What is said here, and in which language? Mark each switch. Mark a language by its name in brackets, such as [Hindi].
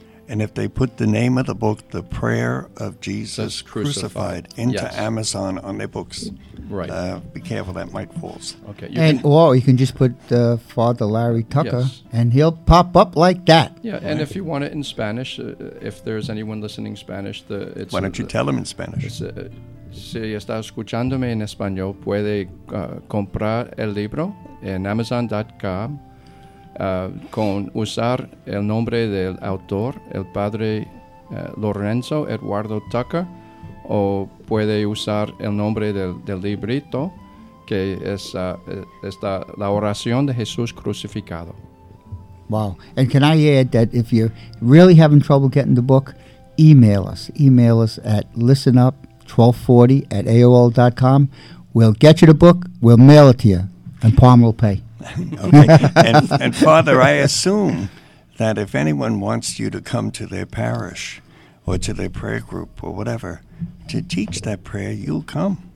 [English] And if they put the name of the book, The Prayer of Jesus Crucified, into yes. Amazon on their books, right. Be careful, that mic falls. Okay, you can just put Father Larry Tucker, yes. and he'll pop up like that. Yeah, right. And if you want it in Spanish, if there's anyone listening Spanish, it's... Why don't you tell him in Spanish? [Spanish] Si está escuchándome en español, puede comprar el libro en Amazon.com. Con usar el nombre del autor, el padre Lorenzo Eduardo Tucker, o puede usar el nombre del librito, que es está la oración de Jesús crucificado. [English] Wow. And can I add that if you're really having trouble getting the book, email us. Email us at listenup1240@aol.com. We'll get you the book, we'll mail it to you, and Palmer will pay. Okay. And Father, I assume that if anyone wants you to come to their parish or to their prayer group or whatever to teach that prayer, you'll come.